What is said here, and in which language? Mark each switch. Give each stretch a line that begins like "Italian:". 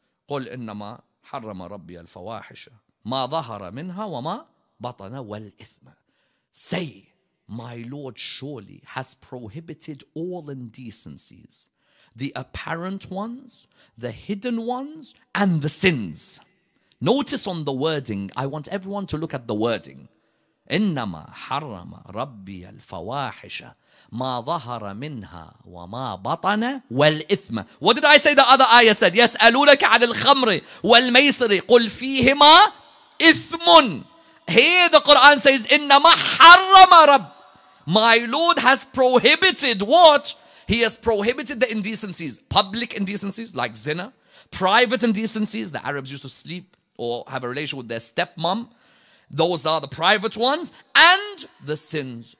Arabic: قُلْ إِنَّمَا حَرَّمَ رَبِّيَ الْفَوَاحِشَ مَا ظَهَرَ مِنْهَا وَمَا بَطَنَ وَالْإِثْمَ.
English: Say, my Lord surely has prohibited all indecencies, the apparent ones, the hidden ones, and the sins. Notice on the wording, I want everyone to look at the wording.
Arabic: إنما حرم ربي الفواحش ما ظهر منها وما بطن والإثم.
English: What did I say the other ayah said?
Arabic: يسألونك عن الخمر والميسر قل فيهما إثم.
English: Here the Quran says
Arabic: إنما حرم رب.
English: My Lord has prohibited what? He has prohibited the indecencies, public indecencies like zina, private indecencies, the Arabs used to sleep or have a relation with their stepmom. Those are the private ones and the sins.